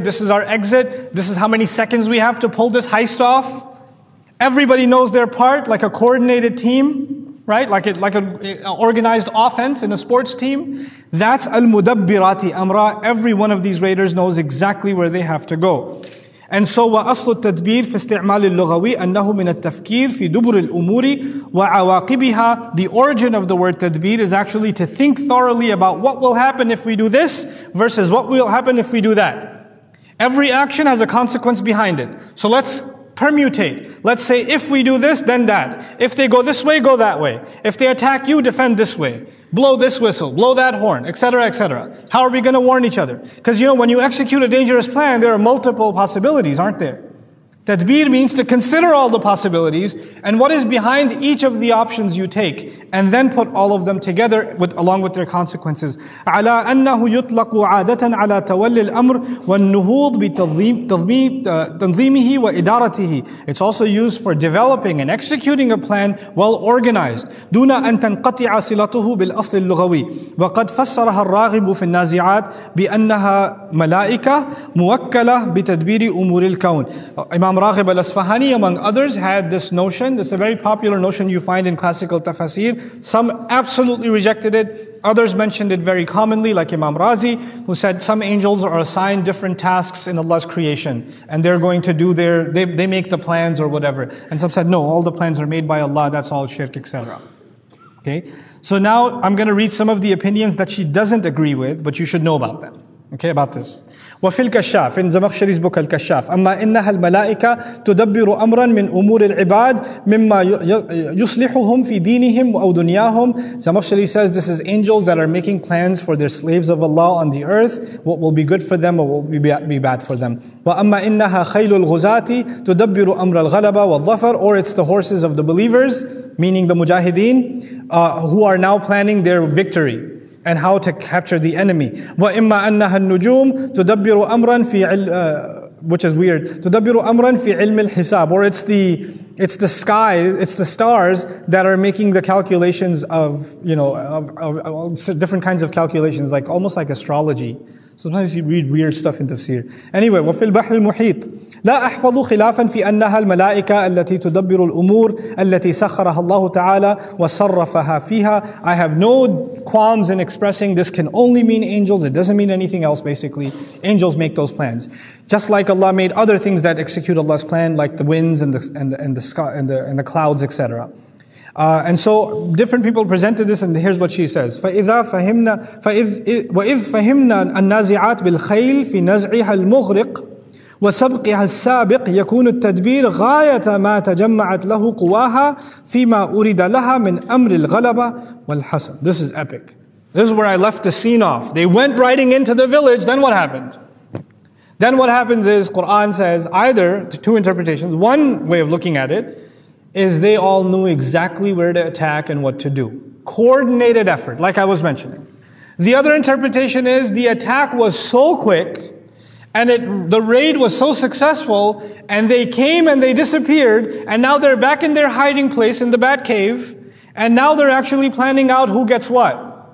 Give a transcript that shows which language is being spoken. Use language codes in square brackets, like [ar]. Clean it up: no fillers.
[en] This is our exit. This is how many seconds we have to pull this heist off. Everybody knows their part, like a coordinated team, right? Like an organized offense in a sports team. That's al-mudabbirati amra. Every one of these raiders knows exactly where they have to go. And so [ar] وأصل التدبير في استعمال اللغوي أنه من التفكير في دبر الأمور وعواقبها. [en] The origin of the word tadbir is actually to think thoroughly about what will happen if we do this versus what will happen if we do that. Every action has a consequence behind it. So let's permutate. Let's say if we do this, then that. If they go this way, go that way. If they attack you, defend this way. Blow this whistle, blow that horn, etc., etc. How are we going to warn each other? Because you know, when you execute a dangerous plan, there are multiple possibilities, aren't there? Tadbir means to consider all the possibilities and what is behind each of the options you take, and then put all of them together along with their consequences. [ar] على أنه يطلق عادة على تولي الأمر والنهوض بتنظيمه وإدارته. [en] It's also used for developing and executing a plan well organized. [ar] دون أن تنقطع صلته بالأصل اللغوي. وقد فسرها الراغب في النازعات بأنها ملائكة موكلة بتدبير أمور الكون. [en] Imam Raghib al-Asfahani, among others, had this notion. This is a very popular notion you find in classical tafsir. Some absolutely rejected it. Others mentioned it very commonly, like Imam Razi, who said some angels are assigned different tasks in Allah's creation, and they're going to do they make the plans or whatever. And some said, no, all the plans are made by Allah, that's all shirk, etc. Okay? So now I'm going to read some of the opinions that she doesn't agree with, but you should know about them. Okay, about this. [ar] وفي الكشاف إن زمخشري's book الكشاف أما إنها الملائكة تدبر أمرا من أمور العباد مما يصلحهم في دينهم أو دنياهم. [en] Zamakhshari says this is angels that are making plans for their slaves of Allah on the earth, what will be good for them or what will be bad for them. [ar] وأما إنها خيل الغزاتي تدبر أمر الغلبة والظفر. [en] Or it's the horses of the believers, meaning the mujahideen, who are now planning their victory and how to capture the enemy. [ar] وَإِمَّا أَنَّهَا النُّجُومُ تُدَبِّرُ أَمْرًا فِي [en] which is weird. [ar] تُدَبِّرُ أَمْرًا فِي عِلْمِ الْحِسَابِ. [en] Or it's the sky, it's the stars that are making the calculations of, you know, of different kinds of calculations, like almost like astrology. Sometimes you read weird stuff in tafsir. [ar] Anyway, وَفِي الْبَحْرِ الْمُحِيطِ لا أحفظ خلافا في أنها الملائكة التي تدبر الأمور التي سخرها الله تعالى وصرفها فيها. [en] I have no qualms in expressing this can only mean angels. It doesn't mean anything else basically. Angels make those plans. Just like Allah made other things that execute Allah's plan, like the winds and the clouds, etc. And so different people presented this, and here's what she says. [ar] فإذ فهمنا النازعات بالخيل في نزعها المغرق وسبقها السابق يكون التدبير غاية ما تجمعت له قواها فيما أريد لها من أمر الغلبة والحسن. [en] This is epic. This is where I left the scene off. They went riding into the village. Then what happened? Then what happens is Quran says either two interpretations. One way of looking at it is they all knew exactly where to attack and what to do. Coordinated effort, like I was mentioning. The other interpretation is the attack was so quick and the raid was so successful, and they came and they disappeared, and now they're back in their hiding place in the bat cave, and now they're actually planning out who gets what.